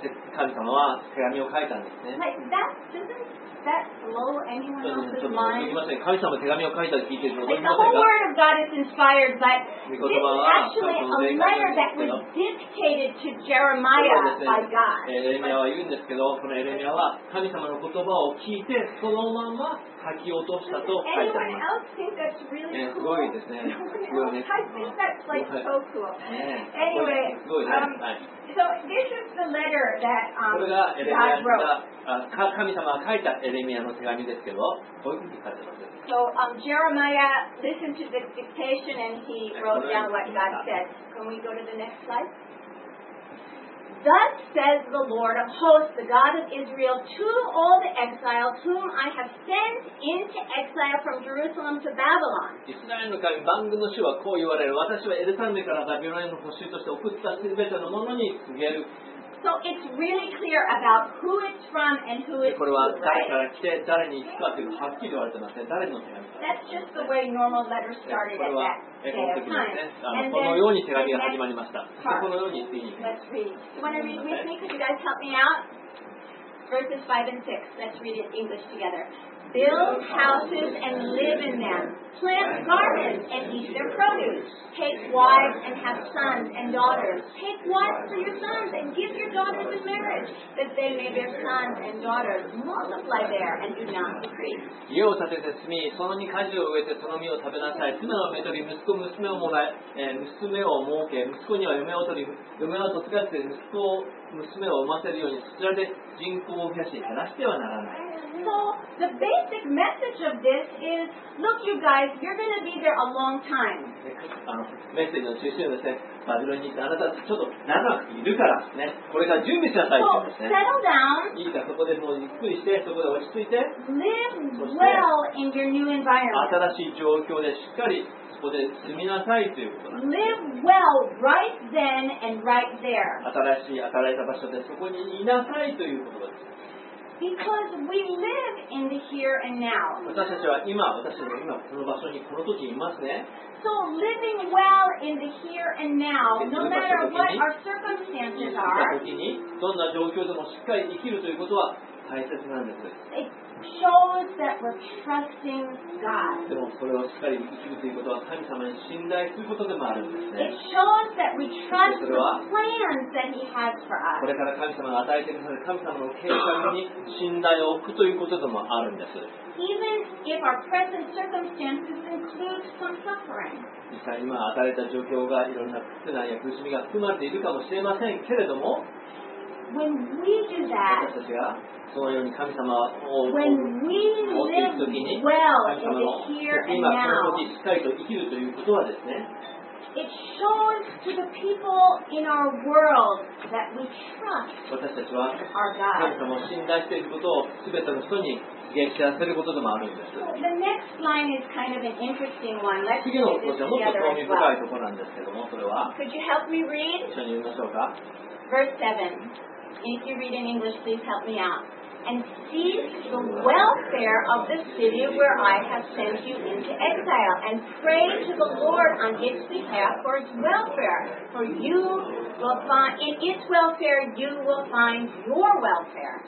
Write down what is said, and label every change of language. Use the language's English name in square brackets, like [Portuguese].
[Japanese] そして神様は手紙を書いたんですね。 [English] Like that doesn't. That blow anyone else's mind? Like, the whole word of God is inspired, but this is actually a letter that was dictated to Jeremiah [Japanese] エレミアは言うんですけど、このエレミアは神様の言葉を聞いてそのまま書き落としたと書いてあります。 [English] Anyone else think that's really cool? [Japanese] すごいですね。 [English] I think that's like so cool. Anyway, so this is the letter that God wrote. [Japanese] 神様が書いたエレミアの手紙ですけど、こういうふうに書いてます。 [English] So Jeremiah listened to the dictation and he wrote down what God said. Can we go to the next slide? Thus says the Lord of hosts, the God of Israel, to all the exiles whom I have sent into exile from Jerusalem to Babylon. [Japanese] イスラエルの神、万軍の主はこう言われる。私はエルサレムからバビロンへの捕囚として送ったすべてのものに告げる。 [English] So it's really clear about who it's from and who it's [Japanese] これは誰から来て誰に行くかというのははっきり言われてますね。誰の手紙か。 [English] That's just the way normal letters started at that day of time. [Japanese] このように手紙が始まりました。このように次に。 [English] Let's read. You want to read with me? Could you guys help me out? Verses 5 and 6. Let's read it in English together. Build houses and live in them. Plant gardens and eat their produce. Take wives and have sons and daughters. Take wives for your sons and give your daughters in marriage, that they may bear sons and daughters. Multiply there and do not decrease. [Japanese] 家を建てて住み、その実、果樹を植えてその実を食べなさい。妻を娶り、息子、娘をもらい、娘を設け、息子には嫁を取り、嫁は嫁がって息子を娘を産ませるように、そちらで人口を増やし、減らしてはならない。 [English] So the basic message of this is, look, you guys, you're going to be there a long time. [Japanese] メッセージの中心ですね。バビロンに行ってあなたちょっと長くいるからね。これから準備しなさいってですね。 [English] So settle down. [Japanese] いいか、そこでもうゆっくりして、そこで落ち着いて。 [English] Live well in your new environment. [Japanese] 新しい状況でしっかりそこで住みなさいということなんです。 [English] Live well right then and right there. [Japanese] 新しい与えられた場所でそこにいなさいということです。 [English] Because we live in the here and now. [Japanese] 私たちは今、私たちは今この場所にこの時いますね。 [English] So living well in the here and now, no matter what our circumstances are. [Japanese] どんな状況でもしっかり生きるということは大切なんです。 [English] It shows that we're trusting God. [Japanese] でもこれをしっかり生きるということは神様に信頼することでもあるんですね。 [English] It shows that we trust the plans that He has for us. [Japanese] これから神様が与えてくださる神様の計画に信頼を置くということでもあるんです。 [English] Even if our present circumstances include some suffering. [Japanese] 実際今与えた状況がいろんな苦難や苦しみが含まれているかもしれませんけれども、 [English] When we do that, [Japanese] 私たちがそのように神様を [English] When we live well in the here and now, [Japanese] 今この時しっかりと生きるということはですね、 [English] It shows to the people in our world that we trust [Japanese] 私たちは神様を信頼していることを全ての人に言い知らせることでもあるんです。 [English] So、the next line is kind of an interesting one. Let's read this together. [Japanese] 次の文字はもっと興味深いところなんですけども、それは [English] Could you help me read? [Japanese] 一緒に読みましょうか。 [English] Verse 7. If you read in English, please help me out. And seize the welfare of the city where I have sent you into exile, and pray to the Lord on its behalf for its welfare. For you will find in its welfare, you will find your welfare.